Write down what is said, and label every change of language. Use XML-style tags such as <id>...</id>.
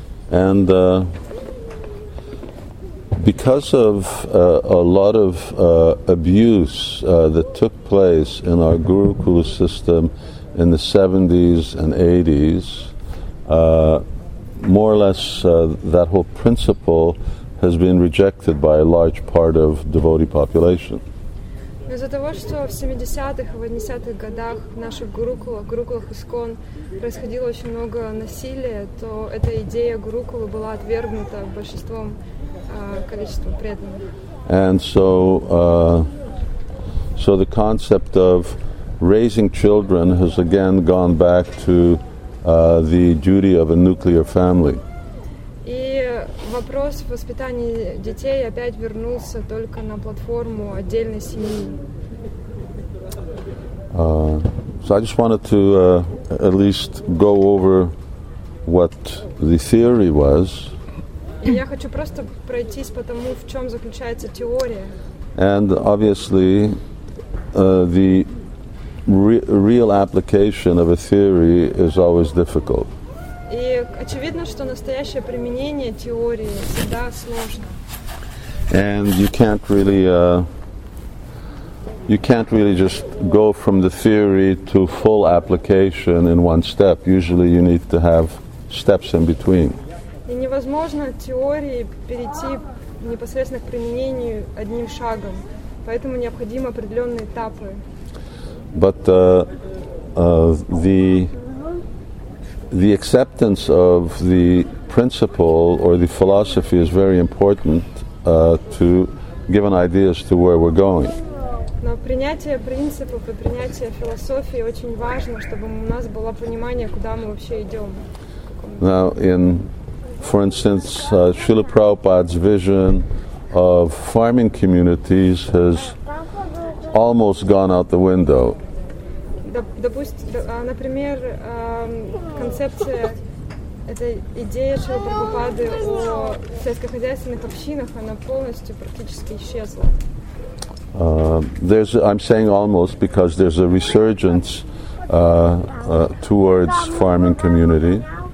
<en>And because of a lot of abuse that took place in our Gurukul system in the 70s and 80s, more or less that whole principle has been rejected by a large part of devotee population.</en> <ru>Из-за того, что в 70-х и 80-х годах в наших гурукулах ИСКОН происходило очень много насилия, то эта идея гурукулы была отвергнута большинством количества преданных.</ru> <en>And so the concept of raising children has again gone back to the duty of a nuclear family.</en> <ru>И вопрос воспитания детей опять вернулся только на платформу отдельной семьи.</ru> <en>So I just wanted to at least go over what the theory was.</en> <ru>Я хочу просто пройтись по тому, в чем заключается теория.</ru> <en>And obviously, the real application of a theory is always difficult.</en> <ru>И очевидно, что настоящее применение теории всегда сложно.</ru> <en>And you can't really just go from the theory to full application in one step. Usually you need to have steps in between.</en> <ru>И невозможно теории перейти непосредственно к применению одним шагом. Поэтому необходимы определенные этапы.</ru> <en>But the acceptance of the principle or the philosophy is very important to give an idea as to where we're going.</en> <ru>Но принятие принципов и принятие философии очень важно, чтобы у нас было понимание, куда мы вообще идем.</ru> <en>Now, for instance, Srila Prabhupada's vision of farming communities has almost gone out the window.</en> <ru>Например, концепция, эта идея Шрилы Прабхупады о сельскохозяйственных общинах, она полностью практически исчезла.</ru> <en>I'm saying almost because there's a resurgence towards farming community.</en>